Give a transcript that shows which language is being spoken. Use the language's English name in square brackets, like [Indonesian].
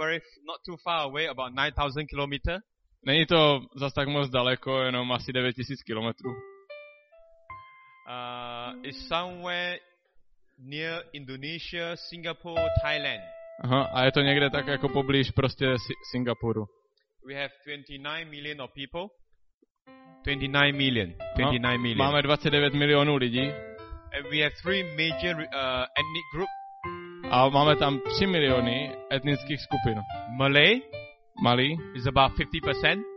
[English] Very not too far away, about 9,000 kilometers. [Czech] Není to zas tak moc daleko, jenom asi 9,000 kilometrů. [English] It's somewhere near Indonesia, Singapore, Thailand. [Czech] Aha, a je to někde tak jako poblíž prostě Singapuru. [English] We have 29 million of people. 29 million. [Czech] Máme 29 milionů lidí. [English] And we have three major ethnic group. [Czech] A máme tam 3 miliony etnických skupin. [English] Malay is about 50%.